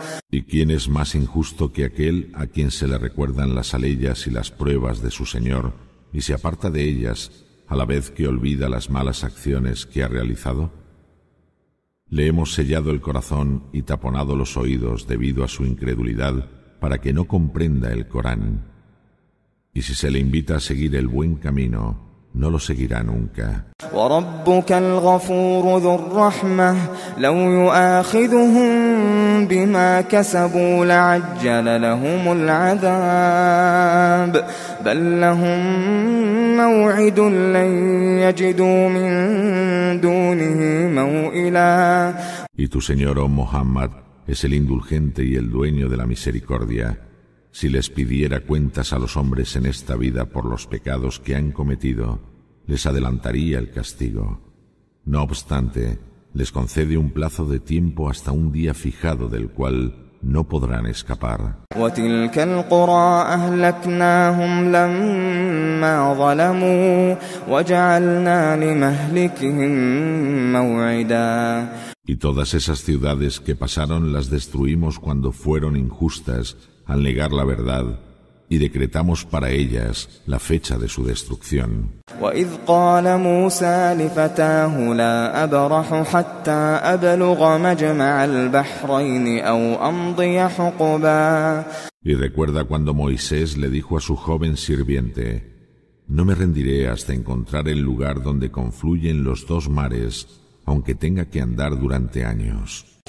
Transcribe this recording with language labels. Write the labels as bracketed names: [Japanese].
[Spanish] ¿Y quién es más injusto que aquel a quien se le recuerdan las aleyas y las pruebas de su Señor y se aparta de ellas a la vez que olvida las malas acciones que ha realizado? Le hemos sellado el corazón y taponado los oídos debido a su incredulidad para que no comprenda el Corán. Y si se le invita a seguir el buen camino, no lo seguirá nunca. [Arabic] وربك الغفور ذو الرحمة لو يؤاخذهم بما كسبوا لعجل لهم العذاب بل لهم موعد لن يجدوا من دونه موئلا. [Spanish] Y tu Señor, oh Muhammad, es el indulgente y el dueño de la misericordia. Si les pidiera cuentas a los hombres en esta vida por los pecados que han cometido, les adelantaría el castigo. No obstante, les concede un plazo de tiempo hasta un día fijado del cual no podrán escapar. [Arabic] وَتِلْكَ الْقُرَىٰ أَهْلَكْنَاهُمْ لَمَّا ظَلَمُوا وَجَعَلْنَا لِمَهْلِكِهِمْ مَوْعِدًا. [Spanish] Y todas esas ciudades que pasaron las destruimos cuando fueron injustas al negar la verdad, y decretamos para ellas la fecha de su destrucción. [Arabic] وَإِذْ قَالَ مُوسَى لِفَتَاهُ لَا أَبْرَحُ حَتَّى أَبْلُغَ مَجْمَعَ الْبَحْرَيْنِ أَوْ أَمْضِيَ حُقُبًا. [Spanish] Y recuerda cuando Moisés le dijo a su joven sirviente: no me rendiré hasta encontrar el lugar donde confluyen los dos mares, aunque tenga que andar durante años.